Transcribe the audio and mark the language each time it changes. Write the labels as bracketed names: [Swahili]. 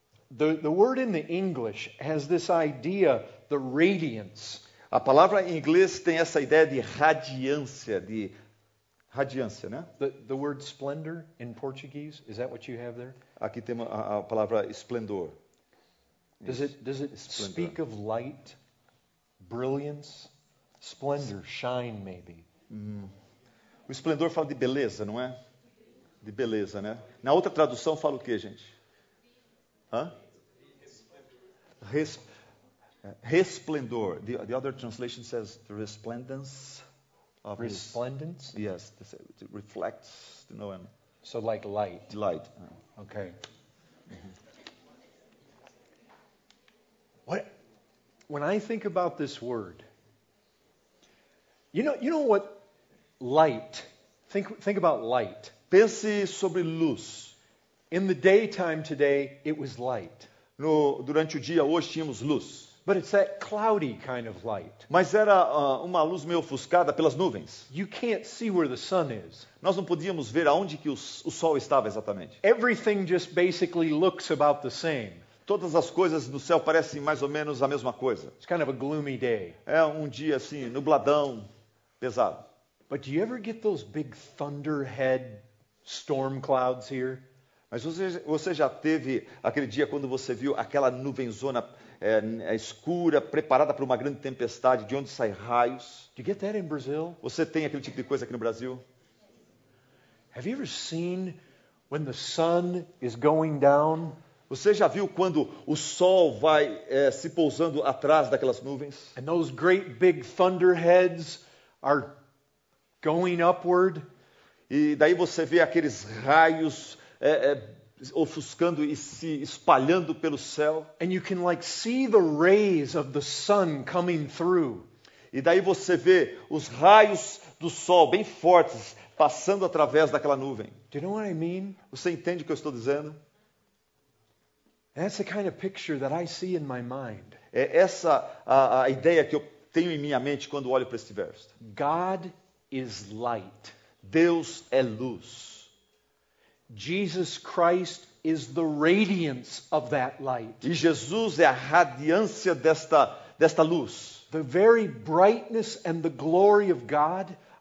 [English] The word in the English has this idea, the radiance. [Portuguese] A palavra em inglês tem essa ideia de radiância, de radiância, né? [English] The word splendor in Portuguese, is that what you have there? [Portuguese] Aqui tem a palavra esplendor. [English] Does it speak of light, brilliance, splendor, shine maybe? [Portuguese] O esplendor fala de beleza, não é? De beleza, né? Na outra tradução fala o quê, gente? Hã? Resplendor. [English] The other translation says the resplendence. Resplendence? Yes, it reflects, you know. So like light. Light. Okay. Mm-hmm. What? When I think about this word, you know what? Light. Think about light. [Portuguese] Pense sobre luz. [English] In the daytime today, it was light. [Portuguese] No durante o dia hoje tínhamos luz. [English] But it's that cloudy kind of light. [Portuguese] Mas era uma luz meio ofuscada pelas nuvens. [English] You can't see where the sun is. [Portuguese] Nós não podíamos ver aonde que o sol estava exatamente. [English] Everything just basically looks about the same. [Portuguese] Todas as coisas no céu parecem mais ou menos a mesma coisa. [English] It's kind of a gloomy day. [Portuguese] É um dia assim, nubladão, pesado. [English] But do you ever get those big thunderhead storm clouds here? [Portuguese] Mas você já teve aquele dia quando você viu aquela nuvenzona escura, preparada para uma grande tempestade, de onde saem raios? [English] Do you get that in Brazil? [Portuguese] Você tem aquele tipo de coisa aqui no Brasil? [English] Have you ever seen when the sun is going down? [Portuguese] Você já viu quando o sol vai se pousando atrás daquelas nuvens? [English] And those great big thunderheads are going upward. [Portuguese] E daí você vê aqueles raios ofuscando e se espalhando pelo céu. [English] And you can like see the rays of the sun coming through. [Portuguese] E daí você vê os raios do sol bem fortes passando através daquela nuvem. [English] Do you know what I mean? [Portuguese] Você entende o que eu estou dizendo? [English] That's the kind of picture that I see in my mind. [Portuguese] É essa a ideia que eu tenho em minha mente quando olho para este verso. [English] God is light. [Portuguese] Deus é luz. [English] Jesus Christ is the radiance of that light. [Portuguese] E Jesus é a radiância desta luz. [English] The very brightness and the glory of God.